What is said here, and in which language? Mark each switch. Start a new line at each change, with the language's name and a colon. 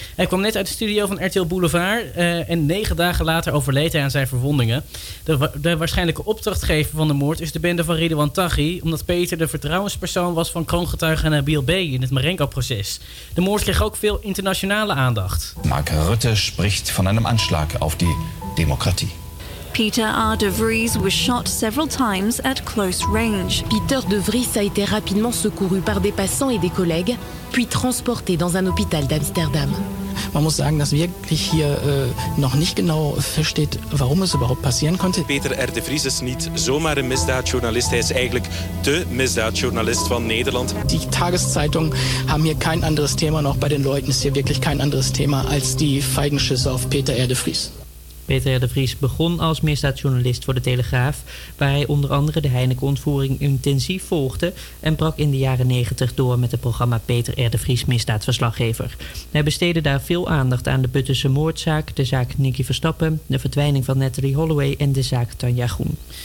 Dutch: Hij kwam net uit de studio van RTL Boulevard en 9 dagen later overleed hij aan zijn verwondingen. De waarschijnlijke opdrachtgever van de moord is de bende van Ridouan Taghi, omdat Peter de vertrouwenspersoon was van kroongetuige Nabil B. in het Marengo-proces. De moord kreeg ook veel internationale aandacht. Mark Rutte spreekt van een aanslag op de democratie.
English: Peter R. de Vries was shot several times at close range.
French: Peter de Vries a été rapidement secouru par des passants et des collègues, puis transporté dans un hôpital d'Amsterdam.
German: Man muss sagen, dass wirklich hier noch nicht genau versteht, warum es überhaupt passieren konnte. Peter R. de Vries ist nicht zomaar ein Misdaadjournalist, er ist eigentlich der Misdaadjournalist von Nederland. Die Tageszeitungen haben hier kein anderes Thema, noch bei den Leuten ist hier wirklich kein anderes Thema als die Feigenschüsse auf Peter R. de Vries.
Dutch: Peter R. de Vries begon als misdaadjournalist voor de Telegraaf, waar hij onder andere de Heineken-ontvoering intensief volgde en brak in de jaren 90 door met het programma Peter R. de Vries misdaadverslaggever. Hij besteedde daar veel aandacht aan de Buttense moordzaak, de zaak Nicky Verstappen, de verdwijning van Natalie Holloway en de zaak Tanja Groen.